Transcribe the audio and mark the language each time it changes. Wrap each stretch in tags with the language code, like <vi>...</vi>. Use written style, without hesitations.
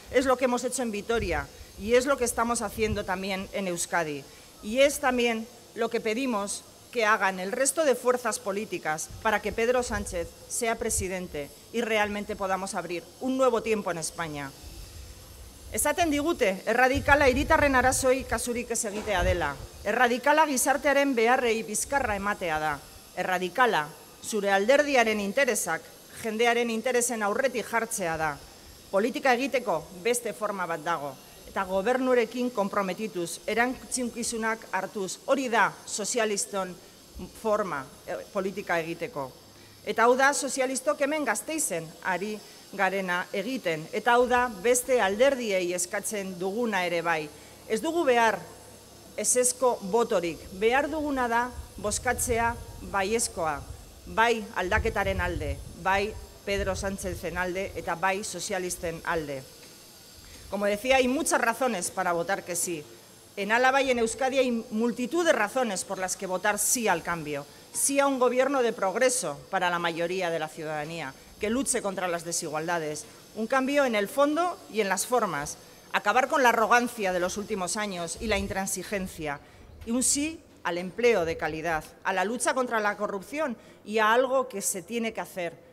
<es>Es lo que hemos hecho en Vitoria. Y es lo que estamos haciendo también en Euskadi. Y es también lo que pedimos que hagan el resto de fuerzas políticas para que Pedro Sánchez sea presidente y realmente podamos abrir un nuevo tiempo en España.</es> <eu>Esaten digute, erradikala hiritarren arazoi kasurik ez egitea dela. Erradikala gizartearen beharrei bizkarra ematea da. Erradikala zure alderdiaren interesak jendearen interesen aurretik jartzea da. Politika egiteko beste forma bat dago. Eta gobernurekin komprometituz, erantzukizunak hartuz, hori da sozialiston forma politika egiteko. Eta hau da sozialistok hemen Gasteizen ari garena egiten, eta hau da beste alderdiei eskatzen duguna ere bai. Ez dugu behar ezezko botorik, behar duguna da bozkatzea baiezkoa, bai aldaketaren alde, bai Pedro Sánchezen alde eta bai sozialisten alde.</eu> <es>Como decía, hay muchas razones para votar que sí. En Álava y en Euskadi hay multitud de razones por las que votar sí al cambio, sí a un gobierno de progreso para la mayoría de la ciudadanía, que luche contra las desigualdades, un cambio en el fondo y en las formas, acabar con la arrogancia de los últimos años y la intransigencia, y un sí al empleo de calidad, a la lucha contra la corrupción y a algo que se tiene que hacer,</es>